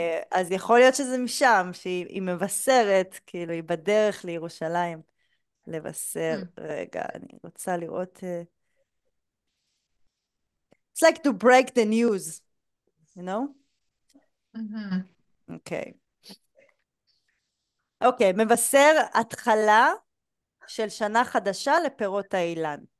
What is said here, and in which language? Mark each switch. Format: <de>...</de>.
<he>אז יכול להיות שזה משם, שהיא מבשרת, כאילו היא בדרך לירושלים לבשר. רגע, אני רוצה לראות...</he> <en>It's like to break the news, you know? Okay.</en> <he>Okay, מבשר התחלה של שנה חדשה לפירות האילן.</he>